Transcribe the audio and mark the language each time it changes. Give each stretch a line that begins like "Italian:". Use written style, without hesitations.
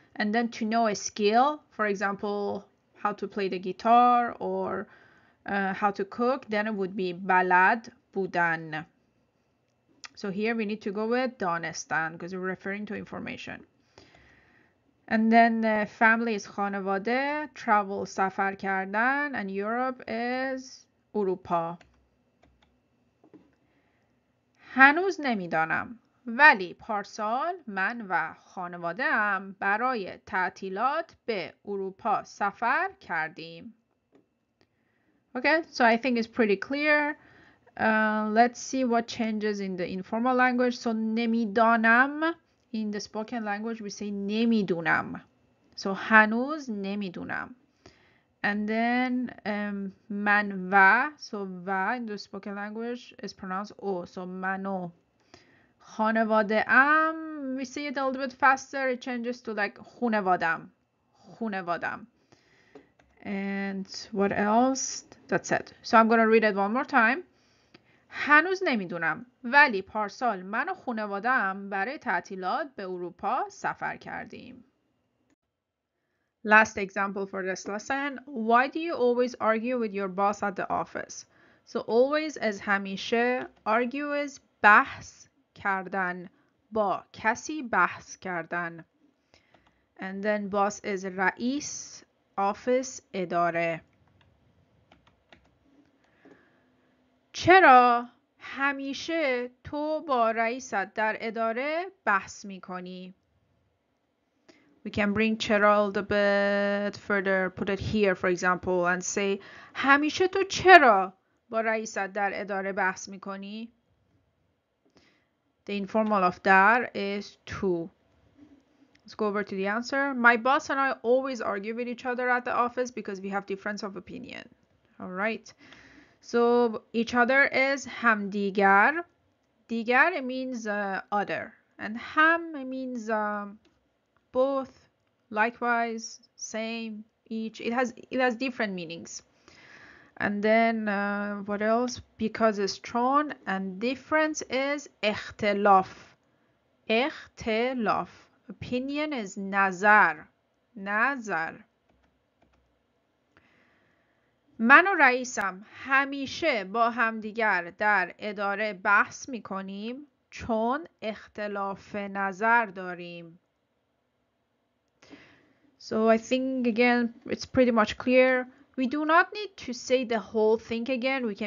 English: And then to know a skill, for example, how to play the guitar or how to cook, then it would be balad budan. So here we need to go with donestan because we're referring to information. And then family is khanevade, travel safar kardan, and Europe is Europa.
Persian: هنوز نمیدانم ولی پارسال من و خانواده ام برای تعطیلات به اروپا سفر کردیم.
English: Okay, so I think it's pretty clear. Let's see what changes in the informal language. So نمیدانم, in the spoken language we say نمیدونم.
Persian: So هنوز نمیدونم.
English: And then من و, so و in the spoken language is pronounced O. So منو خانواده ام, we say it a little bit faster, it changes to like خونوادم, خونوادم. And what else? That's it. So I'm going to read it one more time.
Persian: هنوز نمیدونم ولی پارسال من و خانواده ام برای تعطیلات به اروپا سفر کردیم.
English: Last example for this lesson. Why do you always argue with your boss at the office? So always is همیشه. Argue is بحث کردن.
Persian: با کسی بحث کردن.
English: And then boss is
Persian: رئیس.
English: Office اداره.
Persian: چرا همیشه تو با رئیست در اداره بحث میکنی؟
English: We can bring چرا a little bit further, put it here for example and say
Persian: همیشه تو چرا با رئیست در اداره بحث میکنی؟
English: The informal of
Persian: در is تو.
English: Let's go over to the answer. My boss and I always argue with each other at the office because we have difference of opinion. All right. So each other is همدیگر. دیگر means other. And هم means both. Likewise, same, each. It has different meanings. And then what else? Because is strong and difference is اختلاف. اختلاف. Opinion is نظر. نظر.
Persian: من و رئیسم همیشه با همدیگر در اداره بحث میکنیم چون اختلاف نظر داریم.
English: So I think again it's pretty much clear. We do not need to say the whole thing again.